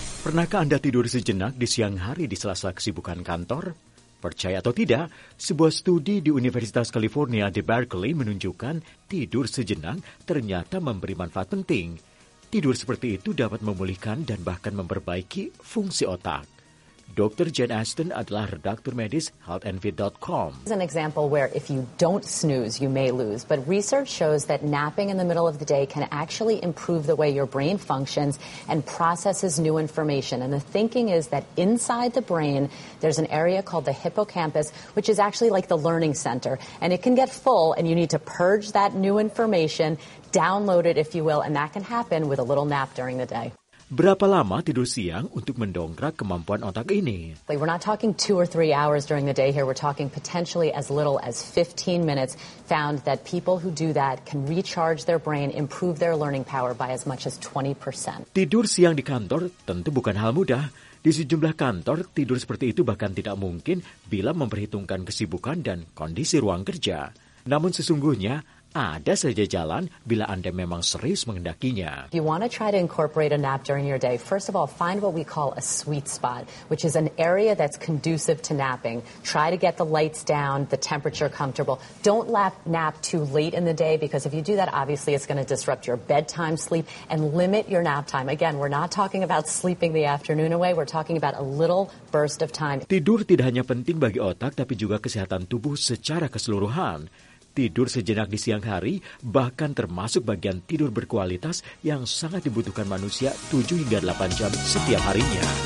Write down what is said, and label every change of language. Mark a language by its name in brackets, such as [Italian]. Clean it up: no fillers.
[Indonesian] Pernahkah Anda tidur sejenak di siang hari di sela-sela kesibukan kantor? Percaya atau tidak, sebuah studi di Universitas California di Berkeley menunjukkan tidur sejenak ternyata memberi manfaat penting. Tidur seperti itu dapat memulihkan dan bahkan memperbaiki fungsi otak. Dr. Jane Aston adalah redaktur medis healthandfit.com. [English] This is an example where if you don't snooze, you may lose. But research shows that napping in the middle of the day can actually improve the way your brain functions and processes new information. And the thinking is that inside the brain, there's an area called the hippocampus, which is actually like the learning center. And it can get full and you need to purge that new information, download it if you will, and that can happen with a little nap during the day. [Indonesian] Berapa lama tidur siang untuk mendongkrak kemampuan otak ini? [English] We're not talking 2 or 3 hours during the day here. We're talking potentially as little as 15 minutes. Found that people who do that can recharge their brain, improve their learning power by as much as 20%. [Indonesian] Tidur siang di kantor tentu bukan hal mudah. Di sejumlah kantor, tidur seperti itu bahkan tidak mungkin bila memperhitungkan kesibukan dan kondisi ruang kerja. Namun sesungguhnya, ada saja jalan bila Anda memang serius mengendakinya. [English] You want to try to incorporate a nap during your day. First of all, find what we call a sweet spot, which is an area that's conducive to napping. Try to get the lights down, the temperature comfortable. Don't nap too late in the day, because if you do that, obviously it's going to disrupt your bedtime sleep and limit your nap time. Again, we're not talking about sleeping the afternoon away. We're talking about a little burst of time. [Indonesian] Tidur tidak hanya penting bagi otak, tapi juga kesehatan tubuh secara keseluruhan. Tidur sejenak di siang hari bahkan termasuk bagian tidur berkualitas yang sangat dibutuhkan manusia 7 hingga 8 jam setiap harinya.